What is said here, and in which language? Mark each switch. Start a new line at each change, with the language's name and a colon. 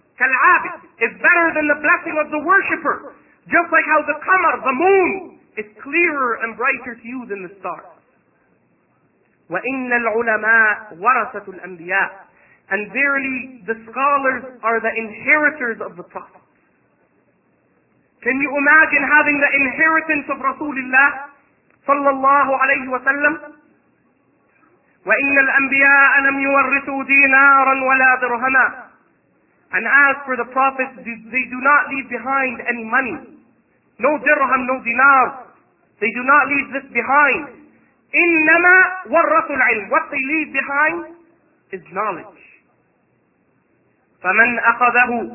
English: Kal'abid is better than the blessing of the worshipper. Just like how the qamar, the moon, is clearer and brighter to you than the stars.
Arabic: وَإِنَّ الْعُلَمَاءُ وَرَثَةُ الْأَنْبِيَاءُ.
English: And verily, the scholars are the inheritors of the Prophet. Can you imagine having the inheritance of Rasulullah
Arabic: صلى الله عليه وسلم؟ وَإِنَّ الْأَنْبِيَاءَ لَمْ يُوَرِّثُوا دِينَارًا وَلَا دِرْهَمًا.
English: And as for the Prophet, they do not leave behind any money. No dirham, no dinar. They do not leave this behind.
Arabic: إِنَّمَا وَرَّثُوا الْعِلْمِ.
English: What they leave behind is knowledge.
Arabic: فَمَنْ أَخَذَهُ.